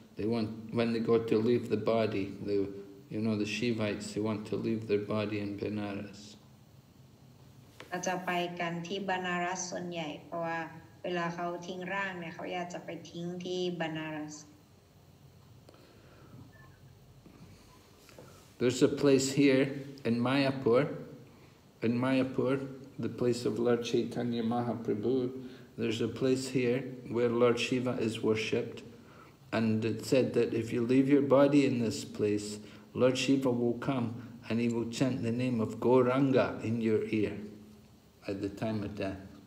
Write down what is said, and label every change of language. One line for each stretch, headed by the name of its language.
English: They want when they go to leave the body. The Shivites. They want to leave their body in Benares.
Thai: จะไปกันที่ Benares ส่วนใหญ่เพราะว่าเวลาเขาทิ้งร่างเนี่ยเขาอยากจะไปทิ้งที่ Benares.
English: There's a place here in Mayapur. In Mayapur, the place of Lord Chaitanya Mahaprabhu, there's a place here where Lord Shiva is worshipped. And it said that if you leave your body in this place, Lord Shiva will come and he will chant the name of Gauranga in your ear at the time of death.